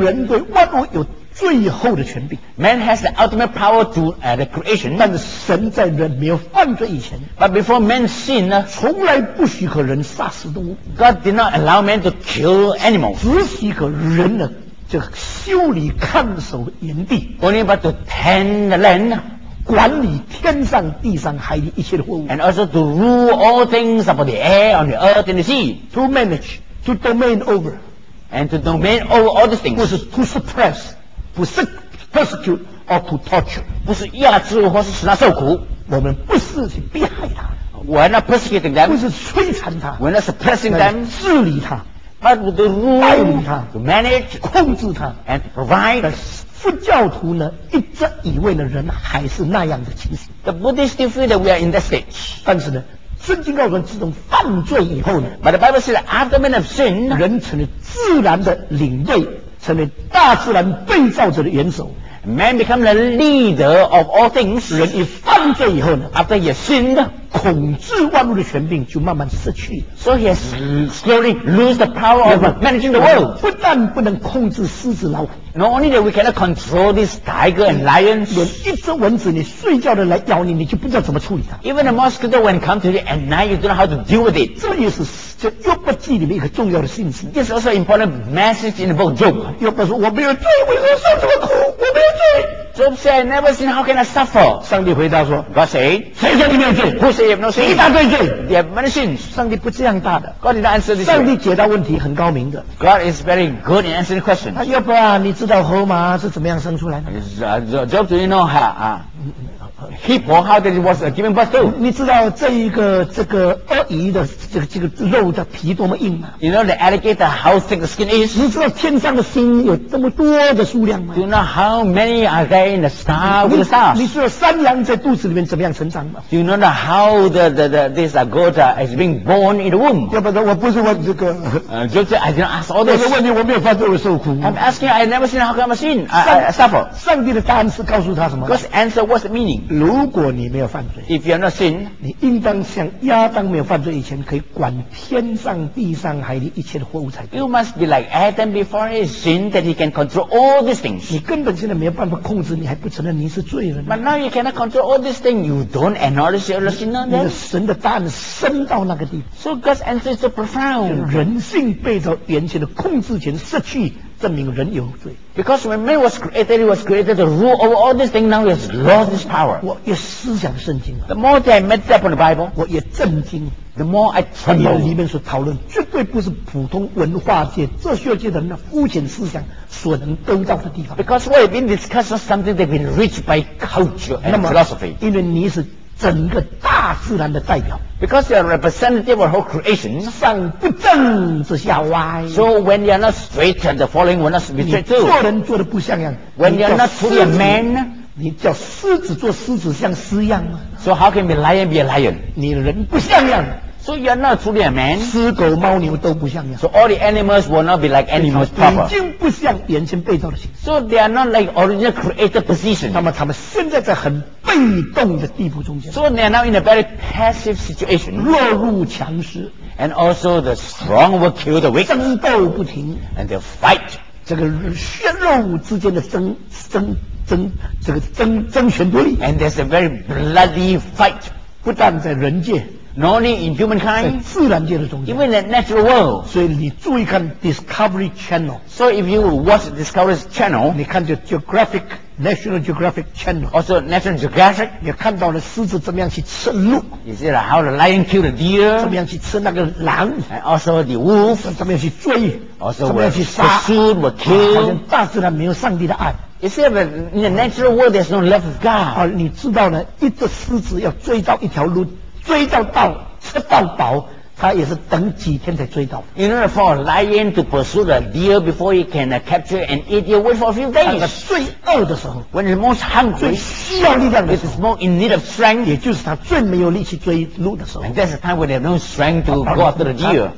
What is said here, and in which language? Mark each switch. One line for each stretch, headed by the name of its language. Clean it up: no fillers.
Chinese: 人对万物有最后的权柄。
English: Man has the ultimate power to the creation.
Chinese: 但是神在人没有犯罪以前
English: ，But before man sin 呢，
Chinese: 从来不许可人杀死动物。
English: God did not allow man to kill animals.
Chinese: 只许可人呢，就修理看守营地。
English: Only but to tend the land.
Chinese: 管理天上地上海里一切的货物
English: and also to rule all things about the air on the earth and the sea to manage to domain over and to domain over all these things
Chinese: 不是
English: to suppress
Chinese: 不是
English: persecute or to torture
Chinese: 不是压制或是使他受苦我们不是去逼害他
English: we're not persecuting them
Chinese: 不是摧残他
English: we're not suppressing them
Chinese: 治理他
English: but to rule
Chinese: 带领他
English: to manage
Chinese: 控制他
English: and to provide
Chinese: 佛教徒呢，一直以为呢，人还是那样的情形。
English: The Buddhist feel that we are in that stage。
Chinese: 但是呢，圣经告诉我们，自从犯罪以后呢
English: ，But the Bible says after man of sin，
Chinese: 人成了自然的领位，成了大自然被造者的元首。
English: Man become the leader of all things。
Chinese: 人一犯罪以后呢
English: ，after he sinned，
Chinese: 控制万物的权柄就慢慢失去了。
English: So he has slowly lose the power of managing the world。
Chinese: 不但不能控制狮子老虎。
English: Not only that we cannot control this tiger and lions，
Chinese: 连一只蚊子你睡觉的来咬你，你就不知道怎么处理它。
English: Even a mosquito when come to you at night， you don't know how to deal with it。
Chinese: 这也是这约伯记里面一个重要的信息。
English: This is also important message in the book Job。
Chinese: 约伯说：“我没有罪，为何受这么苦？我没有罪。”
English: Job said, I never sin, how can I suffer?
Chinese: 上帝回答说
English: God said,
Chinese: 谁说你没有罪
English: Who said you have no sin?
Chinese: 一大堆罪
English: They have many sins.
Chinese: 上帝不这样大的
English: God did not answer this
Chinese: 上帝解答问题很高明的
English: God is very good in answering questions.
Chinese: 要不然你知道河马是怎么样生出来的
English: Job, do you know her? Hippo, how did it was given birth to?
Chinese: 你知道这一个这个鳄鱼的这个这个肉的皮多么硬吗
English: ？You know the alligator how thick the skin is?
Chinese: 你知道天上的星有这么多的数量吗
English: ？Do you know how many are there in the star with the stars?
Chinese: 你知道山羊在肚子里面怎么样成长吗
English: ？Do you know the, how the this goat is being born in the womb?
Chinese: 要不然我不是问这个。就是
English: I didn't ask all those.
Chinese: 我是问你，我没有犯罪，我受苦。
English: I'm asking, I never seen how come I seen suffer.
Chinese: 上帝的答案是告诉他什么
English: ？God's answer was the meaning.
Chinese: 如果你没有犯罪
English: If you're not sin,
Chinese: 你应当像亚当没有犯罪以前可以管天上地上海里一切的货物才对
English: You must be like Adam before he sinned that he can control all these things
Chinese: 你根本现在没有办法控制你还不承认你是罪人
English: But now you cannot control all these things You don't acknowledge you're a sinner
Chinese: 你的神的答案深到那个地
English: So God's answer is so profound
Chinese: 人性被到原先的控制权失去证明人有罪
English: Because when man was created, he was created to rule over all these things. Now he has lost his power.
Chinese: 我也思想圣经了
English: The more that I meditate on the Bible,
Chinese: 我也震惊
English: The more I tremble.
Chinese: 里面所讨论绝对不是普通文化界、哲学界的那肤浅思想所能得到的地方
English: Because we have been discussing something that has been reached by culture and philosophy.
Chinese: 因为你是整个大自然的代表
English: Because you are representative of whole creation
Chinese: 上不正是下歪
English: So when you are not straight and the falling will not be straight too
Chinese: 你做人做得不像样
English: When you are not truly a man
Chinese: 你叫狮子做狮子像狮样吗
English: So how can be lion be a lion
Chinese: 你人不像样
English: So you are not truly a man
Chinese: 狮狗猫牛都不像样
English: So all the animals will not be like animals proper
Chinese: 已经不像原先被造的形
English: So they are not like original created position
Chinese: 那么他们现在在很被动的地步中间
English: So they are now in a very passive situation
Chinese: 弱肉强食
English: And also the strong will kill the weak
Chinese: 争斗不停
English: And they'll fight
Chinese: 这个血肉之间的争权夺利
English: And there's a very bloody fight
Chinese: 不但在人界
English: Not only in humankind
Chinese: 在自然界的中间
English: Even in the natural world
Chinese: 所以你注意看 Discovery Channel
English: So if you watch Discovery Channel
Chinese: 你看这 GeographicNational Geographic Channel
English: Also National Geographic
Chinese: 也看到了狮子怎么样去吃鹿
English: You see how the lion killed the deer
Chinese: 怎么样去吃那个狼
English: And also the wolf
Chinese: 怎么样去追
English: Also
Chinese: 怎么样去杀
English: pursued, were killed
Chinese: 好像大自然没有上帝的爱
English: You see that in the natural world there's no love of God
Chinese: 而你知道呢一只狮子要追到一条鹿追到到吃到饱他也是等几天才追到
English: You know for a lion to pursue the deer before he can capture and eat it wait for a few days
Chinese: 他最饿的时候
English: When he's most hungry
Chinese: 最需要力量的时候
English: It's more in need of strength
Chinese: 也就是他最没有力气追鹿的时候
English: And that's the time when they have no strength to go after the deer